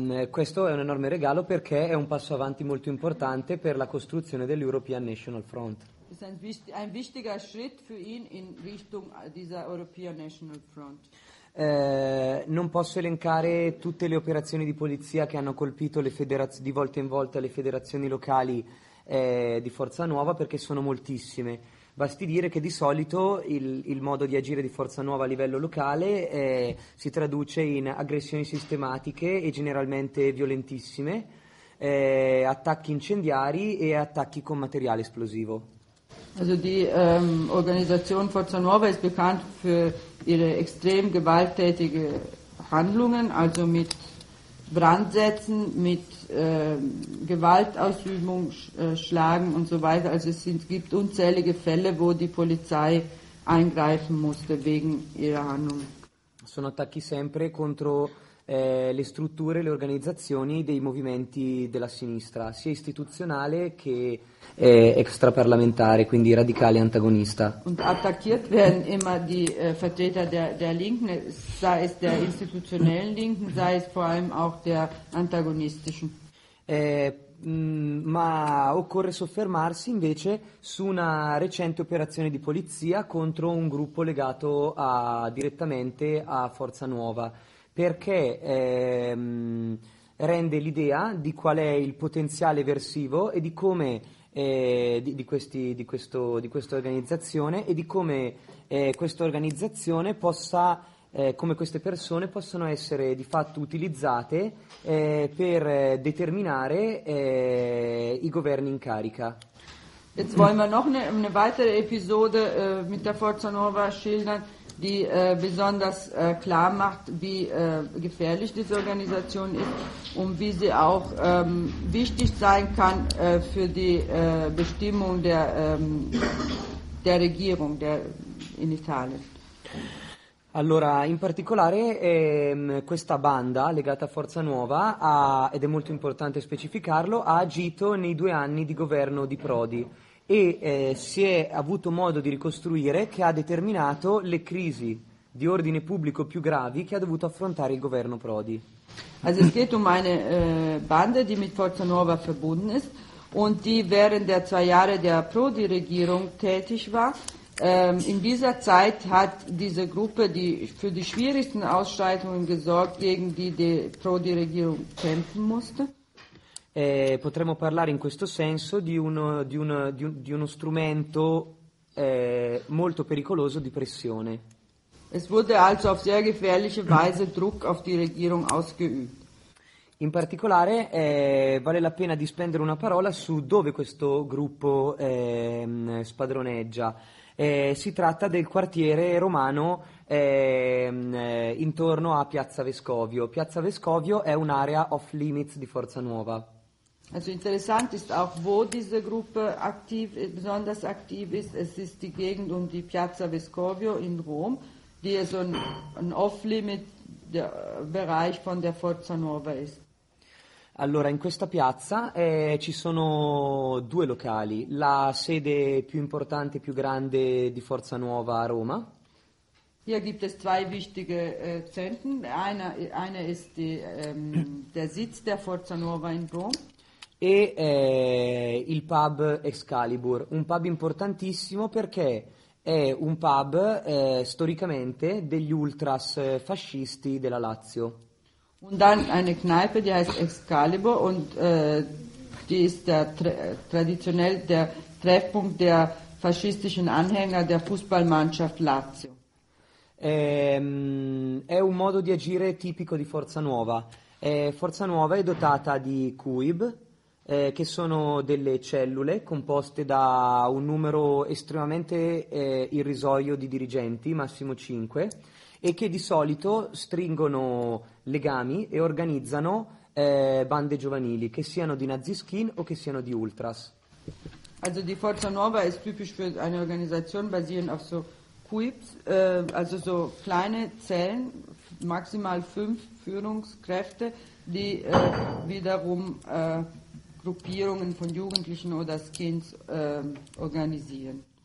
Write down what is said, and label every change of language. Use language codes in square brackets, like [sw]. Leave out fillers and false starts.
[it] Questo è un enorme regalo perché è un passo avanti molto importante per la costruzione dell'European National Front. [de] Ist ein wichtiger Schritt für ihn in Richtung dieser European National Front. [it] Non posso elencare tutte le operazioni di polizia che hanno colpito di volta in volta le federazioni locali di Forza Nuova perché sono moltissime. Basti dire che di solito il modo di agire di Forza Nuova a livello locale si traduce in aggressioni sistematiche e generalmente violentissime, attacchi incendiari e attacchi con materiale esplosivo. [de] Also die Organisation Forza Nuova ist bekannt für ihre extrem gewalttätige Handlungen, also mit Brandsätzen, mit Gewaltausübung, Schlagen und so weiter. Also es gibt unzählige Fälle, wo die Polizei eingreifen musste wegen ihrer Handlungen. [it] Sono attacchi sempre contro le strutture, le organizzazioni dei movimenti della sinistra, sia istituzionale che extraparlamentare, quindi radicale antagonista. [de] Und attackiert werden immer die Vertreter der Linken, sei es der institutionellen Linken, sei es vor allem auch der antagonistischen. [it] Ma occorre soffermarsi invece su una recente operazione di polizia contro un gruppo legato direttamente a Forza Nuova. Perché rende l'idea di qual è il potenziale eversivo e di come di questa organizzazione e di come questa organizzazione possa come queste persone possono essere di fatto utilizzate per determinare i governi in carica. [de] Jetzt wollen wir noch eine weitere Episode mit der Forza Nuova schildern, die besonders klar macht, wie gefährlich diese Organisation ist und wie sie auch wichtig sein kann für die Bestimmung der Regierung in Italien. [it] Allora, in particolare questa banda legata a Forza Nuova ed è molto importante specificarlo, ha agito nei due anni di governo di Prodi. E si è avuto modo di ricostruire che ha determinato le crisi di ordine pubblico più gravi che ha dovuto affrontare il governo Prodi. [de] Also es geht um eine Bande, die mit Forza Nuova verbunden ist und die während der zwei Jahre der Prodi-Regierung tätig war. In dieser Zeit hat diese Gruppe für die schwierigsten Ausschreitungen gesorgt, gegen die Prodi-Regierung kämpfen musste. [it] Potremmo parlare in questo senso di uno strumento molto pericoloso di pressione. [de] Es wurde also auf sehr gefährliche Weise Druck auf die Regierung ausgeübt. [it] In particolare vale la pena di spendere una parola su dove questo gruppo spadroneggia. Si tratta del quartiere romano intorno a Piazza Vescovio. Piazza Vescovio è un'area off limits di Forza Nuova. [de] Also interessant ist auch, wo diese Gruppe besonders aktiv ist. Es ist die Gegend um die Piazza Vescovio in Rom, die so ein Off-Limit-Bereich von der Forza Nuova ist. [it] Allora, in questa piazza ci sono due locali. La sede più importante e più grande di Forza Nuova a Roma. [de] Hier gibt es zwei wichtige Zentren. Eine ist der Sitz der Forza Nuova in Rom. [it] E il pub Excalibur, un pub importantissimo perché è un pub storicamente degli ultras fascisti della Lazio. [de] Und dann eine Kneipe, die heißt Excalibur und die ist traditionell der Treffpunkt der faschistischen Anhänger der Fußballmannschaft Lazio. [it] È un modo di agire tipico di Forza Nuova. Forza Nuova è dotata di CUIB, che sono delle cellule composte da un numero estremamente irrisorio di dirigenti, massimo 5, e che di solito stringono legami e organizzano bande giovanili, che siano di Nazi Skin o che siano di Ultras. [de] Also die Forza Nuova ist typisch für eine Organisation basierend auf so Quips, also so kleine Zellen, maximal 5 Führungskräfte, die wiederum Gruppierungen von Jugendlichen oder Skins organisieren.